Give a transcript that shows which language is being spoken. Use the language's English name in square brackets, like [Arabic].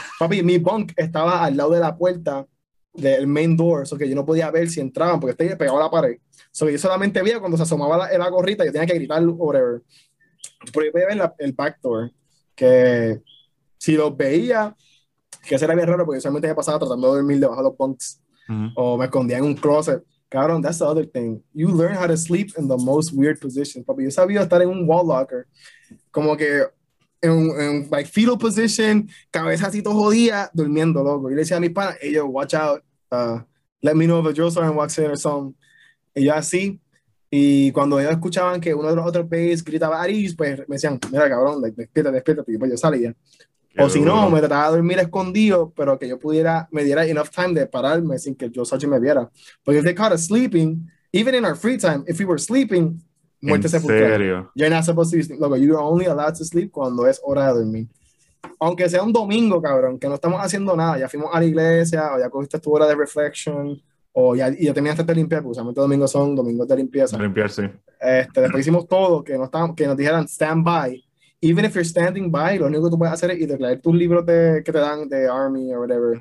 [Spanish] Papi, mi bunk estaba al lado de la puerta. Del main door, eso que yo no podía ver si entraban porque estaba pegado a la pared. Eso que yo solamente veía cuando se asomaba la gorrita, yo tenía que gritar, whatever. Pero yo podía ver el back door, que si los veía, que eso era bien raro porque yo solamente me pasaba tratando de dormir debajo de los bunks o me escondía en un closet. [English] Cabrón, that's the other thing. You learn how to sleep in the most weird positions. [Spanish] Papi, yo sabía estar en un wall locker, como que. En [English] like fetal position, [Spanish] cabeza así todo jodida, durmiendo, loco. Yo le decía a mis panas, [English] hey, yo, watch out, let me know if a drill sergeant walks in or something. [Spanish] Y yo así, y cuando ellos escuchaban que uno de los otros bays gritaba Aris, pues me decían, mira, cabrón, like, despiértate, y pues yo salía. O si no, me trataba de dormir escondido, pero que yo pudiera, me diera [English] enough time [Spanish] de pararme sin que el drill sergeant me viera. [English] Porque if they caught us sleeping, even in our free time, if we were sleeping, [Spanish] muerte sepulcral. [English] You're not supposed to be sleep. Look, you're only allowed to sleep [Spanish] cuando es hora de dormir. Aunque sea un domingo, cabrón, que no estamos haciendo nada. Ya fuimos a la iglesia, o ya cogiste tu hora de reflection, o ya terminaste de limpiar, porque usualmente domingos son domingos de limpieza. Limpiar, sí. Después hicimos todo, que nos dijeran stand by. [English] Even if you're standing by, [Spanish] lo único que tú puedes hacer es ir a leer tus libros que te dan de army o whatever.